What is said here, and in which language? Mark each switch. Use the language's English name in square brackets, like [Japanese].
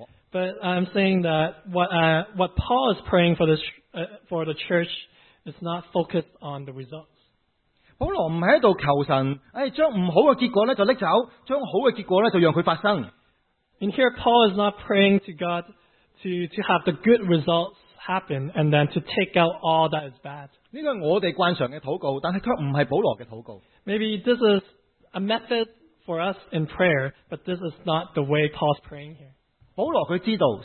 [English] but I'm saying that what Paul is praying for this for the church is not focused on the results. [Chinese] 保罗不是在求神, 将不好的结果就拿走,将好的结果就让它发生。 [English] And here Paul is not praying to God to have the good results happen and then to take out all that is bad. [Chinese] 这是我们惯常的祷告, [English] maybe this is a method for us in prayer, but this is not the way Paul is praying here.